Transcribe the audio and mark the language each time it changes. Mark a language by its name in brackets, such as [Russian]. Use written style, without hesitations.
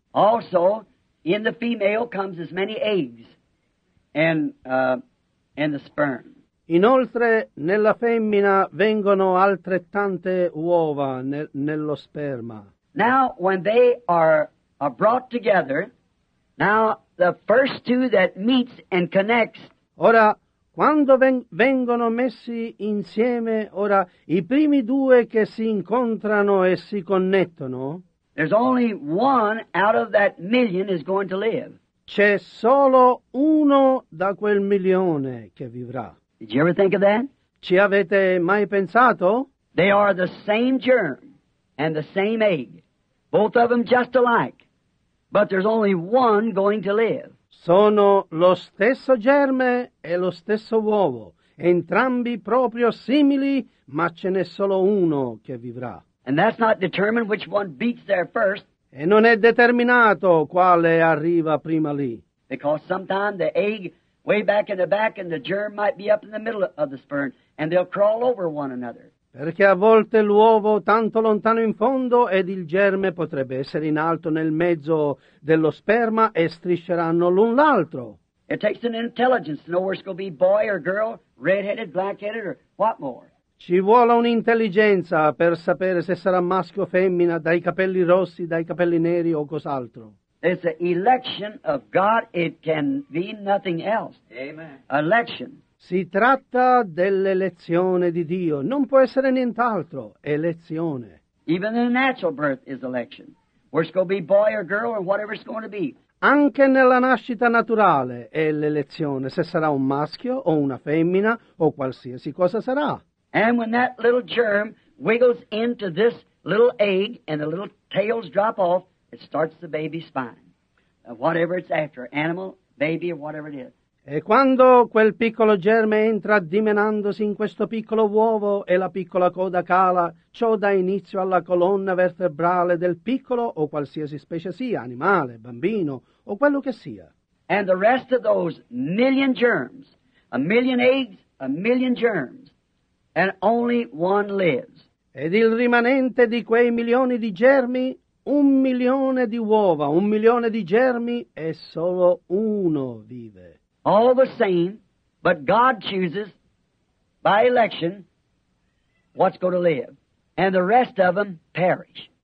[English] Also, in the female comes as many eggs and the sperm. [Italian] Inoltre, nella femmina vengono altrettante uova nello sperma. [English] Now, when they are brought together, now the first two that meets and connects. [Italian] Ora, quando vengono messi insieme, ora, i primi due che si incontrano e si connettono. [English] There's only one out of that million is going to live. [Italian] C'è solo uno da quel milione che vivrà. [English] Did you ever think of that? [Italian] Ci avete mai pensato? [English] They are the same germ and the same egg, both of them just alike, but there's only one going to live. [Italian] Sono lo stesso germe e lo stesso uovo, entrambi proprio simili, ma ce n'è solo uno che vivrà. [English] And that's not determined which one beats there first. [Italian] E non è determinato quale arriva prima lì. [English] Because sometimes the egg way back in the back and the germ might be up in the middle of the sperm and they'll crawl over one another. [Italian] Perché a volte l'uovo tanto lontano in fondo ed il germe potrebbe essere in alto nel mezzo dello sperma e strisceranno l'un l'altro. [English] It takes an intelligence to know where it's going to be, boy or girl, red-headed, black-headed or what more. [Italian] Ci vuole un'intelligenza per sapere se sarà maschio o femmina, dai capelli rossi, dai capelli neri o cos'altro. [English] It's an election of God, it can be nothing else. Amen. Election. [Italian] Si tratta dell'elezione di Dio, non può essere nient'altro, elezione. [English] Even the natural birth is election. Where it's going to be boy or girl or whatever it's going to be. [Italian] Anche nella nascita naturale è l'elezione, se sarà un maschio o una femmina o qualsiasi cosa sarà. [English] And when that little germ wiggles into this little egg and the little tails drop off, it starts the baby spine. Whatever it's after, animal, baby, or whatever it is. [Italian] E quando quel piccolo germe entra dimenandosi in questo piccolo uovo e la piccola coda cala, ciò dà inizio alla colonna vertebrale del piccolo o qualsiasi specie sia, animale, bambino o quello che sia. [English] And the rest of those million germs, a million eggs, a million germs, and only one lives. [Italian] Ed il rimanente di quei milioni di germi, un milione di uova, un milione di germi, e solo uno vive. [English] All the same, but God chooses, by election, what's going to live, and the rest of them perish.